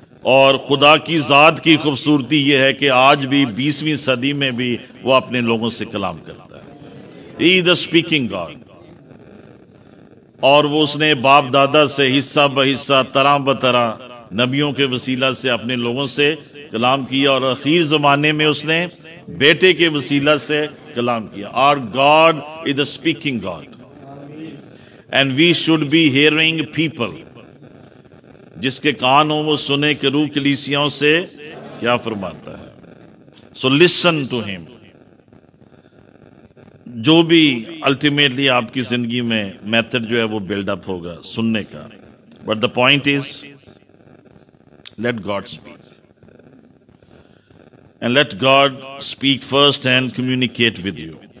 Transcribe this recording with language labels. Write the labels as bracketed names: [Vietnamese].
[Urdu] اور خدا کی ذات کی خوبصورتی یہ ہے کہ آج بھی 20ویں صدی میں بھی وہ اپنے لوگوں سے کلام کرتا ہے. [English] He is the speaking God. [Urdu] اور وہ اس نے باپ دادا سے حصہ بہ حصہ, طرح بطرح نبیوں کے وسیلہ سے اپنے لوگوں سے کلام کیا, اور اخیر زمانے میں اس نے بیٹے کے وسیلہ سے کلام کیا. [English] Our God is the speaking God, and we should be hearing people. [Urdu] جس کے کان ہوں وہ سنے کہ روح کلیسیاؤں سے کیا فرماتا ہے. [English] So listen to him. [Urdu] جو بھی الٹیمیٹلی آپ کی زندگی میں میتھڈ جو ہے وہ بلڈ اپ ہوگا سننے کا, [English] But the point is let God speak, and let God speak first hand communicate with you.